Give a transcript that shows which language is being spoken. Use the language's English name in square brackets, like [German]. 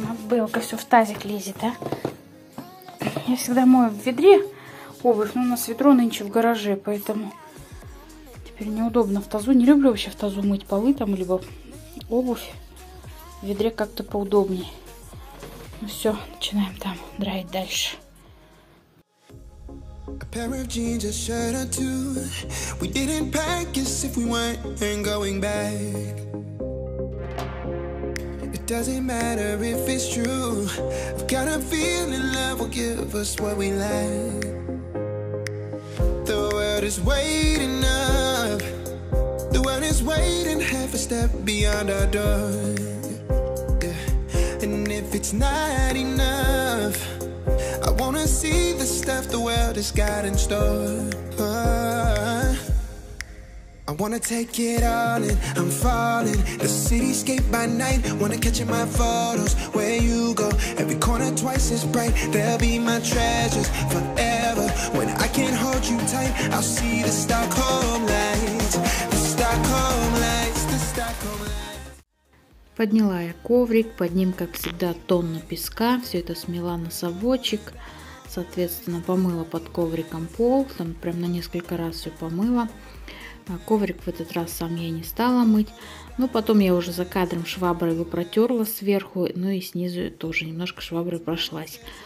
[Russian] Белка все в тазик лезет, а? Я всегда мою в ведре обувь, но у нас ведро нынче в гараже, поэтому теперь неудобно в тазу. Не люблю вообще в тазу мыть полы там, либо обувь. В ведре как-то поудобнее. Ну все, начинаем там драить дальше. [English] A pair of jeans, a shirt or two. We didn't pack us if we weren't going back. Doesn't matter if it's true. I've got a feeling love will give us what we like. The world is waiting up. The world is waiting half a step beyond our door. Yeah. And if it's not enough, I wanna see the stuff the world has got in store. I wanna take it all in, I'm falling. The cityscape by night, wanna catch in my photos. Where you go, every corner twice as bright. There'll be my treasures forever. When I can't hold you tight, I'll see the Stockholm lights. The Stockholm lights, the Stockholm lights. [Russian] Подняла я коврик, под ним, как всегда, тонна песка. Все это смела носовочек. Соответственно, помыла под ковриком пол. Там прям на несколько раз все помыла. Коврик в этот раз сам я не стала мыть, но потом я уже за кадром шваброй его протерла сверху, ну и снизу тоже немножко шваброй прошлась.